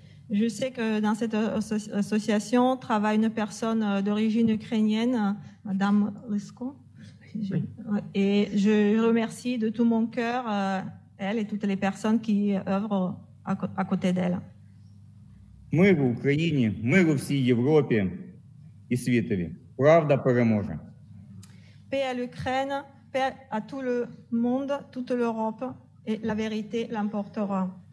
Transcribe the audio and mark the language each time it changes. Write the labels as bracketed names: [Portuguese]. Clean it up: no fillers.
[French] Je sais que dans cette association travaille une personne d'origine ukrainienne, Madame Lesko. Oui. Et je remercie de tout mon cœur elle et toutes les personnes qui œuvrent à côté d'elle. [Ukrainian] Мир в Україні, мир у всій Європі і світові. Правда переможе. [French] Paix à l'Ukraine, paix à tout le monde, toute l'Europe et la vérité l'emportera.